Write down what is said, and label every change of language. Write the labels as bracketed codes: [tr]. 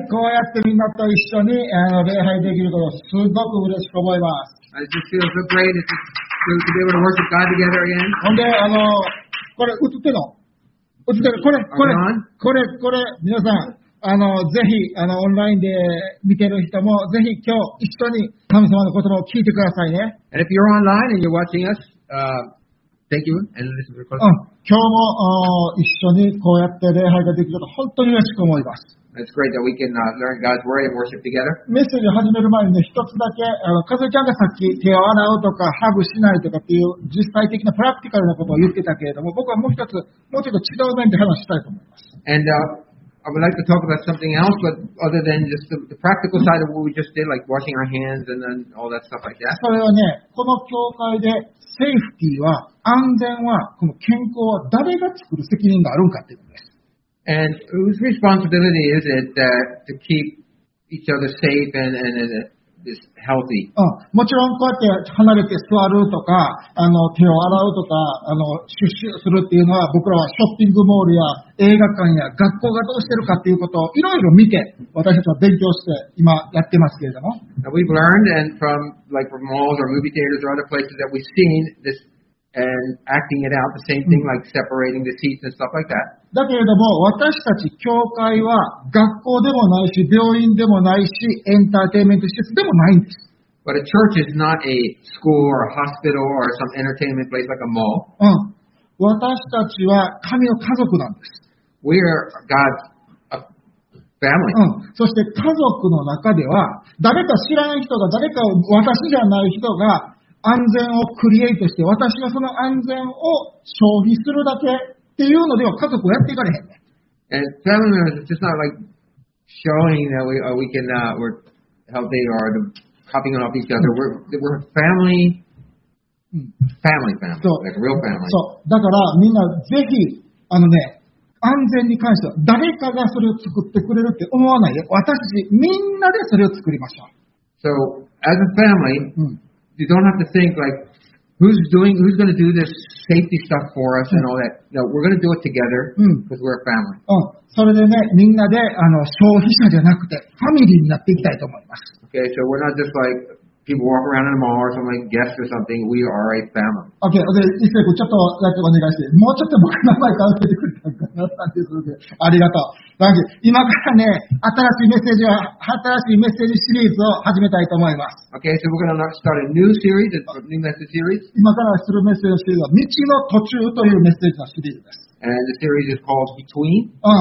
[ja] こうやってみんなと一緒に礼拝できることをすごく嬉しく思います。 [en] I just feel so great to be able to worship God together again. [ja] ほんで、これ映ってるの？映ってる。これ、皆さん、ぜひ、オンラインで見てる人も、ぜひ今日一緒に神様の言葉を聞いてくださいね。 [en] And if you're online and you're watching us, thank you and listen to the question. [ja] 今日も一緒にこうやって礼拝ができると本当に嬉しく思います。 [en] It's great that we can learn God's word and worship together. [ja] メッセージを始める前に、ね、一つだけ、カズちゃんがさっき手を洗うとかハグしないとかっていう実際的なプラクティカルなことを言ってたけれども、僕はもう一つ、もうちょっと違う面で話したいと思います。 [en] And, I would like to talk about something else, but other than just the practical side of what we just did, like washing our hands and then all that stuff like that. [ja] それはね、この教会でセーフティーは、安全は、この健康は誰が作る責任があるんかっていうことです。 [en] And whose responsibility is it that to keep each other safe and this healthy? [ja] もちろんこうやって離れて座るとか、手を洗うとか、出社するっていうのは、僕らはショッピングモールや映画館や学校がどうしてるかっていうことをいろいろ見て、私たちは勉強して今やってますけれども。 [en] We've learned and from like from malls or movie theaters or other places that we've seen this and acting it out the same thing like separating the seats and stuff like that. [ja] だけれども私たち教会は学校でもないし病院でもないしエンターテインメント施設でもないんです。 [en] But a church is not a school or a hospital or some entertainment place like a mall. [ja] 私たちは神の家族なんです。 [en] We are God's family. [ja] そして家族の中では誰か知らない人が誰か私じゃない人が安全をクリエイトして私がその安全を消費するだけっていうのでは家族をやっていかれへん。 [en] And family members is just not like showing that we can we're healthy or copying off each other. We're family. Family. [ja] そう。だからみんなぜひ、安全に関しては誰かがそれを作ってくれるって思わないで、私たちみんなでそれを作りましょう。 [en] So, as a family, you don't have to think like, who's going to do this safety stuff for us and all that. No, we're going to do it together because we're a family. [ja] それでね、みんなで消費者じゃなくて、ファミリーになっていきたいと思います。 [en] Okay, so we're not just like,People walk around in a mall or something, like guests or something, we are a family. Okay, okay, [ja] 一世君、ちょっとお願いして、もうちょっと僕の名前を教えてくれたかなって感じするんで、ありがとう。今からね、新しいメッセージシリーズを始めたいと思います。 [en] Okay, so we're gonna start a new series, a new message series. [ja] 今からするメッセージシリーズは、道の途中というメッセージのシリーズです。 [en] And the series is called Between?